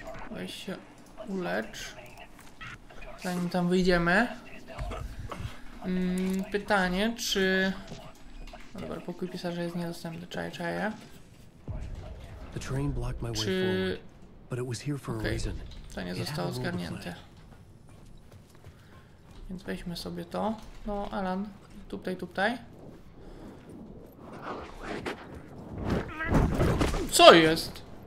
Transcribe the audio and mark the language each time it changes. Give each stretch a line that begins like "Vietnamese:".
Polish: Weź się ulecz, zanim tam wyjdziemy. Pytanie, czy... No dobra, pokój pisarza jest niedostępny, czaje.
English: The train blocked my way forward, but it was here for a reason.
Polish: To nie zostało zgarnięte. Więc weźmy sobie to. No, Alan, tutaj. Co jest?